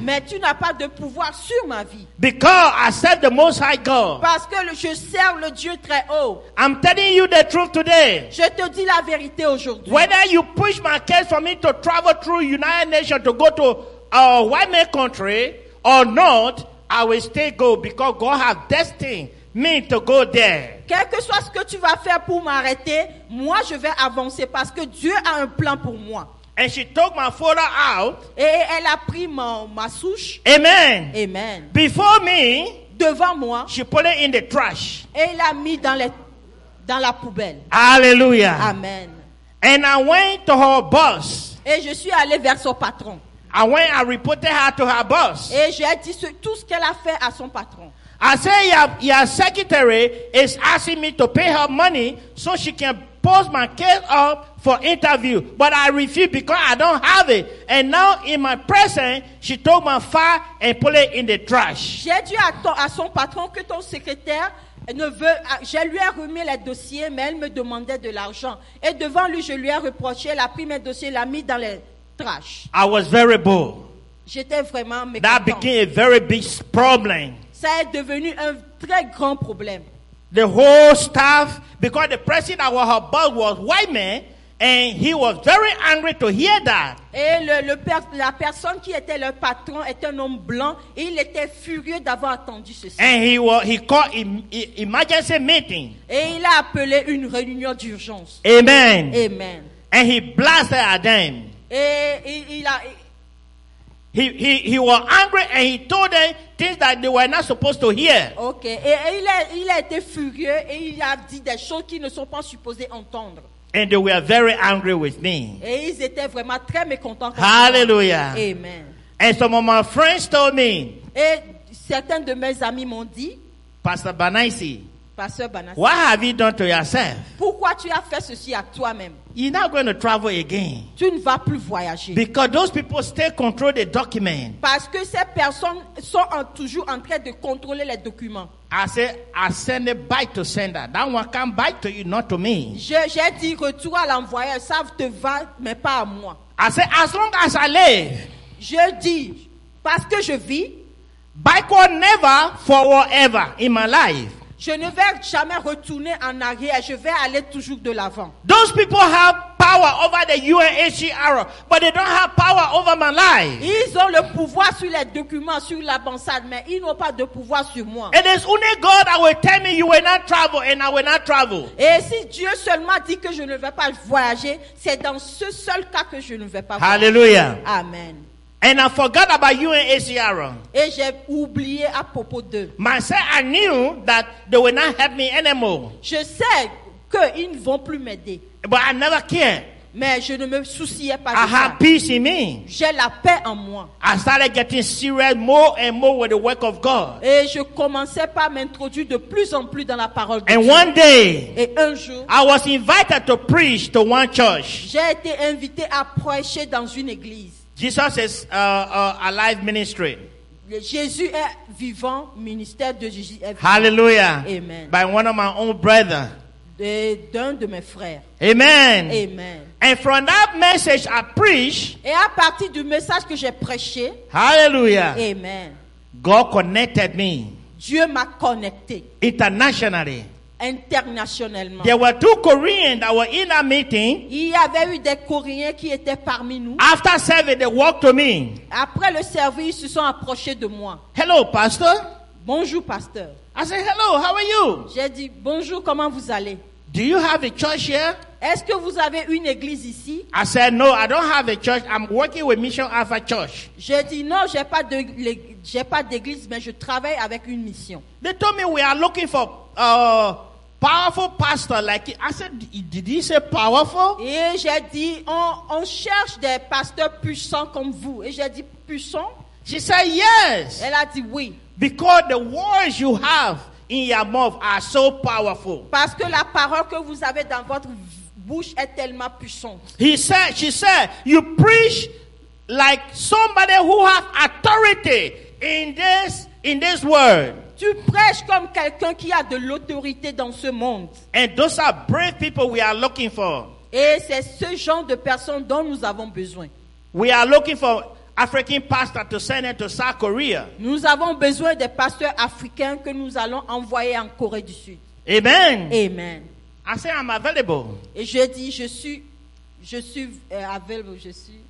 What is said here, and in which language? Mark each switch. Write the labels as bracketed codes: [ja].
[fr] Mais tu n'as pas de pouvoir sur ma vie. [en] Because I serve the Most High God. [fr] Parce que je serve le Dieu très haut. [en] I'm telling you the truth today. [fr] Je te dis la vérité aujourd'hui. [en] Whether you push my case for me to travel through United Nations to go to a white man country or not, I will still go because God has destined me to go there. [fr] Quel que soit ce que tu vas faire pour m'arrêter, moi je vais avancer parce que Dieu a un plan pour moi. [en] And she took my photo out. [fr] Et elle a pris ma souche. Amen. Amen. [en] Before me, [fr] devant moi, [en] she put it in the trash. [fr] Et l'a mis dans la poubelle. Hallelujah. Amen. [en] And I went to her boss. [fr] Et je suis allé vers son patron. [en] I went and reported her to her boss. [fr] Et j'ai dit tout ce qu'elle a fait à son patron. [en] I said, your secretary is asking me to pay her money so she can post my case up for interview. But I refused because I don't have it. And now in my presence, she took my file and put it in the trash. [fr] J'ai dit à son patron que ton secrétaire ne veut. Je lui ai remis les dossiers, mais elle me demandait de l'argent. Et devant lui, je lui ai reproché. Elle a pris mes dossiers, l'a mis dans les trash. [en] I was very bold. [fr] J'étais vraiment mécontent. [en] That became a very big problem. [fr] Ça est devenu un très grand problème. [en] The whole staff, because the president of her boss was white man, and he was very angry to hear that. [fr] Et la personne qui était le patron était un homme blanc, et il était furieux d'avoir entendu ceci. [en] And he called emergency meeting. [fr] Et il a appelé une réunion d'urgence. Amen. Amen. [en] And he blasted at them. [fr] Et he [en] was angry and he told them things that they were not supposed to hear. Okay. [fr] Et il a été furieux et il a dit des choses qu'ils ne sont pas supposés entendre. [en] And they were very angry with me. [fr] Et ils étaient vraiment très mécontents. Hallelujah. Amen. [en] And some of my friends told me. [fr] Et certains de mes amis m'ont dit. [en] Pastor Banaisi. [fr] Pastor Banaisi. [en] What have you done to yourself? [fr] Pourquoi tu as fait ceci à toi-même? [en] You're not going to travel again. [fr] Tu ne vas plus voyager. [en] Because those people still control the document. [fr] Parce que ces personnes sont toujours en train de contrôler les documents. [en] I send a bite to sender. That one can bite to you, not to me. [fr] J'ai dit retour à l'envoyeur. Ça te va, mais pas à moi. [en] I say, as long as I live. [fr] Je dis, parce que je vis. [en] Bike or never, forever in my life. [fr] Je ne vais jamais retourner en arrière. Je vais aller toujours de l'avant. [en] Those people have power over the UNHCR, but they don't have power over my life. [fr] Ils ont le pouvoir sur les documents, sur l'ambassade, mais ils n'ont pas de pouvoir sur moi. [en] It is only God that will tell me you will not travel, and I will not travel. [fr] Et si Dieu seulement dit que je ne vais pas voyager, c'est dans ce seul cas que je ne vais pas voyager. Hallelujah. Amen. [en] And I forgot about UNHCR. [fr] Et j'ai oublié à propos d'eux. [en] Myself, I knew that they will not help me anymore. [fr] Je sais qu'ils ne vont plus m'aider. [en] But I never cared. [fr] Mais je ne me souciais pas [en] I [fr] de [en] have [fr] ça. [en] Peace in me. [fr] J'ai la paix en moi. [en] I started getting serious more and more with the work of God. [fr] Et je commençais pas à m'introduire de plus en plus dans la parole de [en] and And one day, [fr] et un jour, [en] I was invited to preach to one church. [fr] J'ai été invité à prêcher dans une église. [en] Jesus is alive ministry. [fr] Jésus est vivant, ministère de Jésus est vivant. Hallelujah. Amen. [en] By one of my own brothers. [fr] D'un de mes frères. Amen. Amen. [en] And from that message I preach. [fr] Et à partir du message que j'ai prêché. Hallelujah. Amen. [en] God connected me. [fr] Dieu m'a connecté. [en] Internationally. [fr] Internationalement. [en] There were two Koreans that were in a meeting. [fr] Il y avait eu des Coréens qui étaient parmi nous. [en] After service, they walked to me. [fr] Après le service, ils se sont approchés de moi. [en] Hello, pastor. [fr] Bonjour, pasteur. [en] I said, hello, how are you? [fr] J'ai dit, bonjour, comment vous allez? [en] Do you have a church here? [fr] Est-ce que vous avez une église ici? [en] I said, no, I don't have a church. I'm working with Mission Alpha Church. [fr] J'ai dit, non, j'ai pas d'église, mais je travaille avec une mission. [en] They told me we are looking for powerful pastor like it. I said, did he say powerful? [fr] Et j'ai dit, on cherche des pasteurs puissants comme vous. Et j'ai dit, puissants? [en] She said, yes. [fr] Elle a dit, oui. [en] Because the words you have in your mouth are so powerful. [fr] Parce que la parole que vous avez dans votre bouche est tellement puissante. [en] She said, you preach like somebody who has authority in this world. [fr] Tu prêches comme quelqu'un qui a de l'autorité dans ce monde. [en] And those are brave people we are looking for. [fr] Et c'est ce genre de personnes dont nous avons besoin. [en] We are looking for African pastor to send it to South Korea. [fr] Nous avons besoin des pasteurs africains que nous allons envoyer en Corée du Sud. Amen. Amen. [en] I say I'm available. [fr] Et je dis je suis available, je suis